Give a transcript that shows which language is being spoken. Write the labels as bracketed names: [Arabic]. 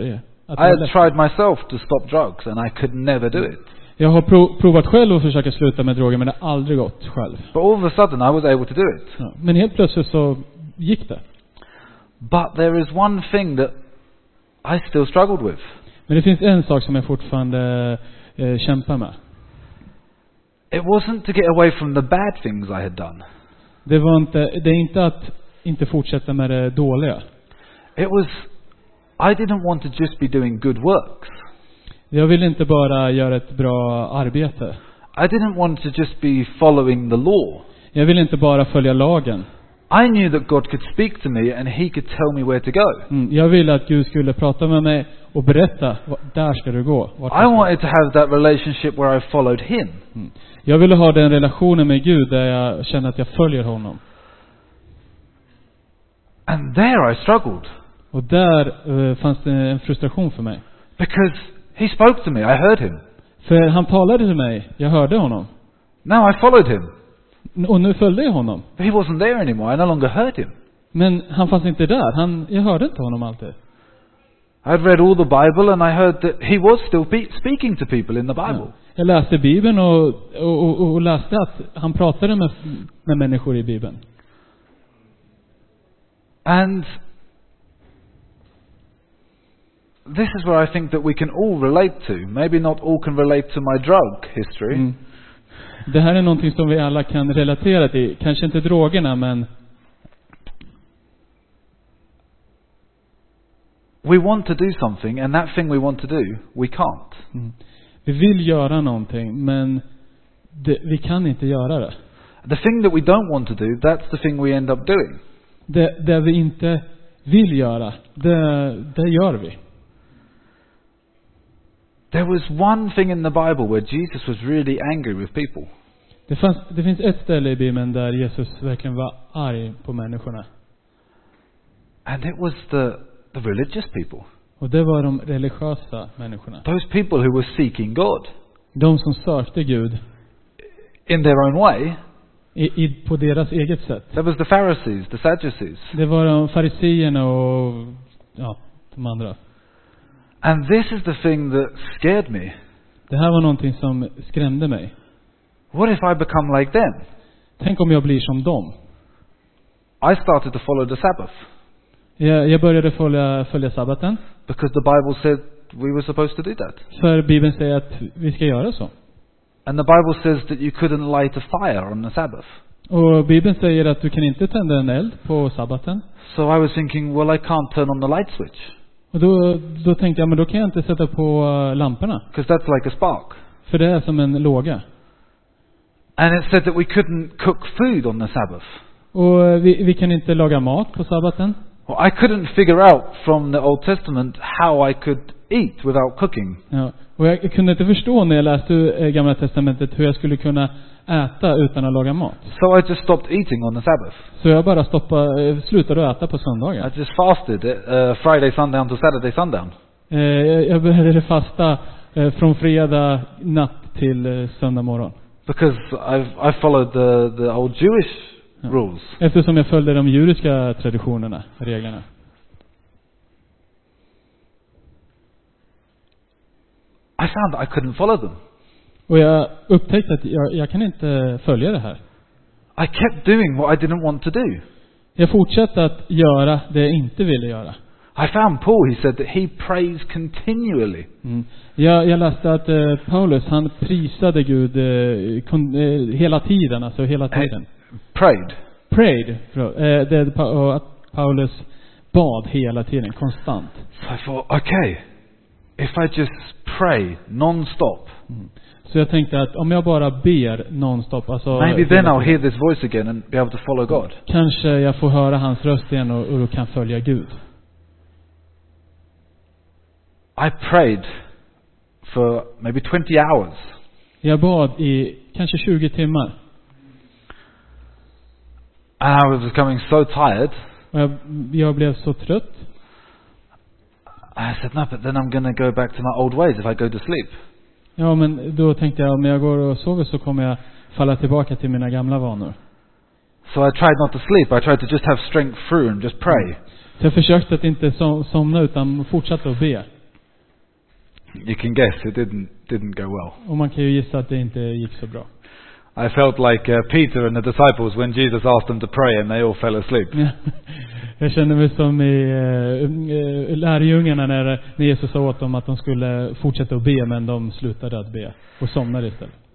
[English] I had tried myself to stop drugs and I could never do it. [Swedish] Jag har provat själv att försöka sluta med droger men det har aldrig gått själv. [English] But all of a sudden I was able to do it. [Swedish] Ja, men helt plötsligt så gick det. [English] But there is one thing that I still struggled with. [Swedish] Men det finns en sak som jag fortfarande kämpar med. [English] It wasn't to get away from the bad things I had done. [Swedish] Det är inte att inte fortsätta med det dåliga. [English] It was I didn't want to just be doing good works. [Swedish] Jag ville inte bara göra ett bra arbete. [English] I didn't want to just be following the law. [Swedish] Jag ville inte bara följa lagen. [English] I knew that God could speak to me and he could tell me where to go. [Swedish] Jag ville att Gud skulle prata med mig och berätta där ska du gå. [English] I wanted to have that relationship where I followed him. [Swedish] Jag ville ha den relationen med Gud där jag känner att jag följer honom. [English] And there I struggled. [Swedish] Och där fanns det en frustration för mig. [English] Because he spoke to me, I heard him. [Swedish] För han talade till mig, jag hörde honom. [English] Now I followed him. [Swedish] Och nu följde jag honom. [English] But he wasn't there anymore. I no longer heard him. [Swedish] Men han fanns inte där. Jag hörde inte honom alltid. [English] I'd read all the Bible and I heard that he was still speaking to people in the Bible. [Swedish] Ja. Jag läste Bibeln och läste att han pratade med människor i Bibeln. [English] And this is where I think that we can all relate to. Maybe not all can relate to my drug history. [Swedish] Det här är någonting som vi alla kan relatera till. Kanske inte drogerna, men [English] we want to do something and that thing we want to do, we can't. [Swedish] Vi vill göra någonting, men vi kan inte göra det. [English] The thing that we don't want to do, that's the thing we end up doing. [Swedish] Det vi inte vill göra, det gör vi. [English] There was one thing in the Bible where Jesus was really angry with people. [Swedish] Det finns ett ställe i Bibeln där Jesus verkligen var arg på människorna. [English] And it was the religious people. [Swedish] Och det var de religiösa människorna. [English] Those people who were seeking God. [Swedish] De som sökte Gud. [English] In their own way. [Swedish] I på deras eget sätt. [English] That was the Pharisees, the Sadducees. [Swedish] Det var de fariseerna och ja, de andra. [English] And this is the thing that scared me. [Swedish] Det här var någonting som skrämde mig. [English] What if I become like them? [Swedish] Tänk om jag blir som dem. [English] I started to follow the Sabbath. [Swedish] Jag började följa sabbaten. [English] Because the Bible said we were supposed to do that. [Swedish] För Bibeln säger att vi ska göra så. [English] And the Bible says that you couldn't light a fire on the Sabbath. [Swedish] Och Bibeln säger att du kan inte tända en eld på sabbaten. [English] So I was thinking, well, I can't turn on the light switch. [Swedish] Och då tänkte jag, men då kan jag inte sätta på lamporna. [English] Because that's like a spark. [Swedish] För det är som en låga. [English] And it said that we couldn't cook food on the Sabbath. [Swedish] Och vi kan inte laga mat på sabbaten. [English] Well, I couldn't figure out from the Old Testament how I could eat without cooking. [Swedish] Ja, och jag kunde inte förstå när jag läste Gamla Testamentet hur jag skulle kunna äta utan att laga mat. [English] So I just stopped eating on the Sabbath. [Swedish] Så jag bara slutade äta på söndagen. [English] I just fasted Friday, Sunday until Saturday, Sunday. [Swedish] Jag började fasta från fredag natt till söndag morgon. [English] Because I followed the old Jewish rules. [Swedish] Eftersom jag följde de judiska traditionerna, reglerna. [English] I found that I couldn't follow them. [Swedish] Och jag upptäckte att jag kan inte följa det här. [English] I kept doing what I didn't want to do. [Swedish] Jag fortsatte att göra det jag inte ville göra. [English] I found Paul, he said that he prays continually. [Swedish] Jag läste att Paulus, han prisade Gud hela tiden, alltså hela tiden. [English] And prayed. Prayed. [Swedish] Att Paulus bad hela tiden, konstant. [English] So I thought, okay, if I just pray non-stop. [Swedish] Så jag tänkte att om jag bara ber non-stop, alltså [English] maybe then I'll hear this voice again and be able to follow God. [Swedish] Kanske jag får höra hans röst igen och kan följa Gud. [English] I prayed for maybe 20 hours. [Swedish] Jag bad i kanske 20 timmar. [English] And I was becoming so tired. [Swedish] Jag blev så trött. [English] I said, no, but then I'm going to go back to my old ways if I go to sleep. [Swedish] Ja, men då tänkte jag, om jag går och sover så kommer jag falla tillbaka till mina gamla vanor. [English] So I tried not to sleep. I tried to just have strength through and just pray. [Swedish] Så jag försökte att inte somna utan fortsatte att be. [English] You can guess it didn't go well. [Swedish] Och man kan ju gissa att det inte gick så bra. [English] I felt like Peter and the disciples when Jesus asked them to pray and they all fell asleep. [Swedish] Jag kände mig som i lärjungarna när Jesus sa åt dem att de skulle fortsätta att be, men de slutade att be och somnade istället.